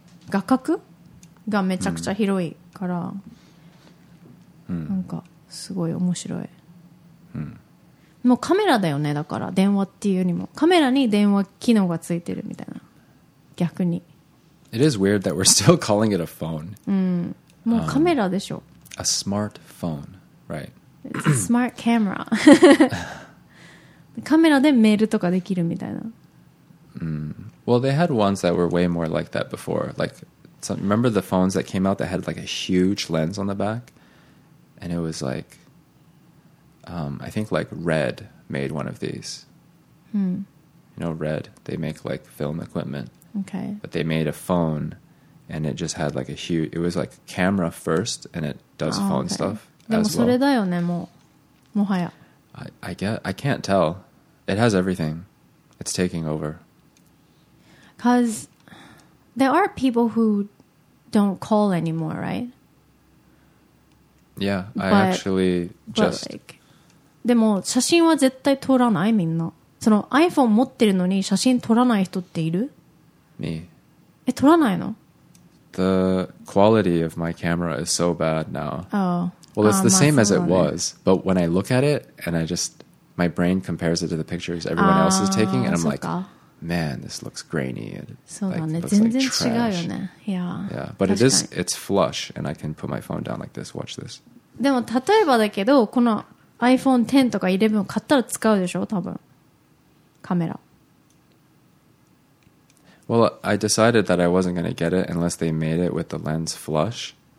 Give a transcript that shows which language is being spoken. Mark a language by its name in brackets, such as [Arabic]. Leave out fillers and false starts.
[Japanese] 画角がめちゃくちゃ広いから。なんか、 すごい面白い。もうカメラだよね、だから電話っていうよりもカメラに電話機能がついてるみたいな。逆に。 [English] It is weird that we're still calling it a phone. [Japanese] もうカメラでしょ。 [English] A smartphone, right? It's a smart camera. [Japanese] カメラでメールとかできるみたいな。 [English] Well, they had ones that were way more like that before. Like, remember the phones that came out that had like a huge lens on the back? And it was like I think like Red made one of these. You know Red, they make like film equipment. Okay. But they made a phone and it just had like a huge, it was like camera first and it does phone stuff as well. [Japanese] でもそれだよね、もう、もはや。 [English] I can't tell. It has everything. It's taking over. Because there are people who don't call anymore, right? Yeah, but [Japanese] でも写真は絶対撮らない、みんな。その iPhone 持ってるのに写真撮らない人っている? [English] Me. [Japanese] え、撮らないの? [English] The quality of my camera is so bad now. Oh. Well, it's the same as it was, but when I look at it and I just my brain compares it to the pictures everyone else is taking and I'm like, man, this looks grainy. [Japanese] そうだね、全然違うよね。 [English] Yeah. Yeah, but it's flush and I can put my phone down like this. Watch this. [Japanese] でも例えばだけど、この iPhone X とか11 買ったら使うでしょ、多分。カメラ。 [English] Well, I decided that I wasn't going to get it unless they made it with the lens flush.